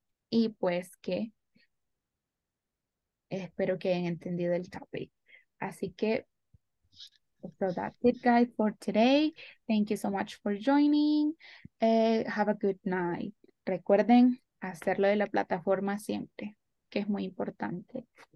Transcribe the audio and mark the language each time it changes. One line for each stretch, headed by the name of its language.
Spanish: Y pues que espero que hayan entendido el topic. Así que,
English: so that's it, guys, for today. Thank you so much for joining. Have a good night.
Spanish: Recuerden hacerlo de la plataforma siempre, que es muy importante.